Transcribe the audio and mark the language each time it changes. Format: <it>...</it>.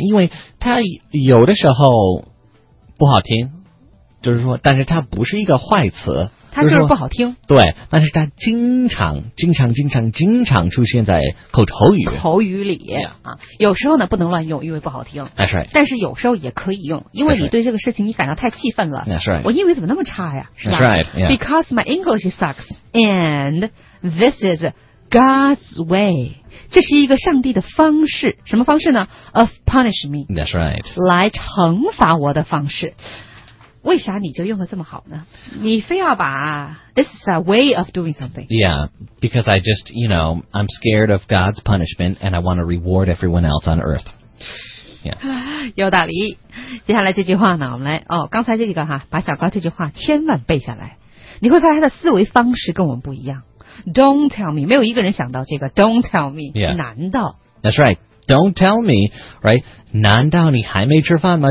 <zh>因为它有的时候不好听，就是说，但是它不是一个坏词。它就是不好听、就是、对，但是它经常出现在口头语里、 yeah. 啊，有时候呢不能乱用，因为不好听。</zh> <en>That's right.</en> <zh>但是有时候也可以用，因为你对这个事情你感到太气愤了。</zh> <en>That's right.</en> <zh>我英语怎么那么差呀，是吧？</zh> <en>That's right. Yeah. Because my English sucks and this is God's way.</en> <zh>这是一个上帝的方式。什么方式呢？</zh> <en>Of punish me. That's right.</en> <zh>来惩罚我的方式。为啥你就用得这么好呢？你非要把</zh> <en>This is a way of doing something. Yeah, because I just, you know, I'm scared of God's punishment and I want to reward everyone else on earth. Yeah.</en> <zh>有道理。接下来这句话呢，我们来，哦，刚才这个哈，把小高这句话千万背下来。你会发现他的思维方式跟我们不一样。</zh> <en>Don't tell me.</en> <zh>没有一个人想到这个</zh> <en>Don't tell me. Yeah.</en> <zh>难道</zh> <en>That's right. Don't tell me, right?</en> <zh>难道你还没吃饭吗?</zh>